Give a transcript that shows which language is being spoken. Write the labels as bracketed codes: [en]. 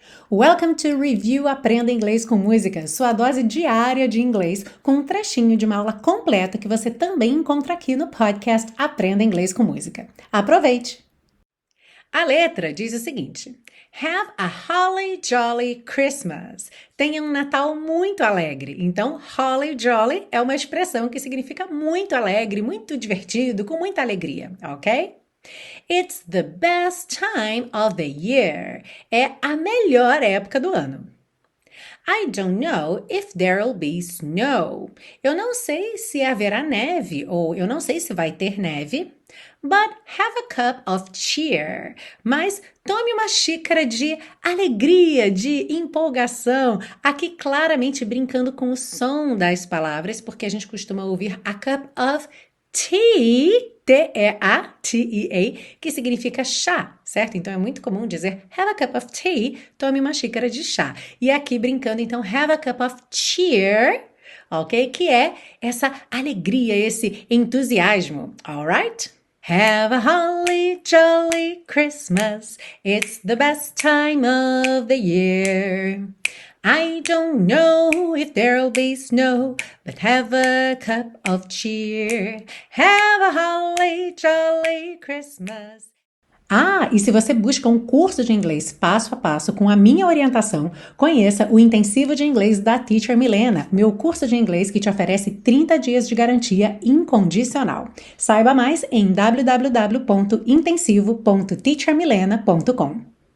[en] Welcome to [pt] Review Aprenda Inglês com Música, sua dose diária de inglês, com um trechinho de uma aula completa que você também encontra aqui no podcast Aprenda Inglês com Música. Aproveite! A letra diz o seguinte: [en] Have a holly jolly Christmas. [pt] Tenha um Natal muito alegre. Então, holly jolly é uma expressão que significa muito alegre, muito divertido, com muita alegria, ok? [en] It's the best time of the year. [pt] É a melhor época do ano. [en] I don't know if there'll be snow. [pt] Eu não sei se haverá neve ou eu não sei se vai ter neve. [en] But have a cup of cheer. [pt] Mas tome uma xícara de alegria, de empolgação. Aqui claramente brincando com o som das palavras, porque a gente costuma ouvir [en] a cup of tea, [pt] T-E-A, T-E-A, que significa chá, certo? Então é muito comum dizer [en] have a cup of tea, [pt] tome uma xícara de chá. E aqui brincando, então, [en] have a cup of cheer, [pt] ok? Que é essa alegria, esse entusiasmo, alright? [en] Have a holly jolly Christmas, it's the best time of the year. I don't know if there'll be snow, but have a cup of cheer. Have a holly jolly Christmas. [pt] Ah, e se você busca um curso de inglês passo a passo com a minha orientação, conheça o Intensivo de Inglês da Teacher Milena, meu curso de inglês que te oferece 30 dias de garantia incondicional. Saiba mais em www.intensivo.teachermilena.com.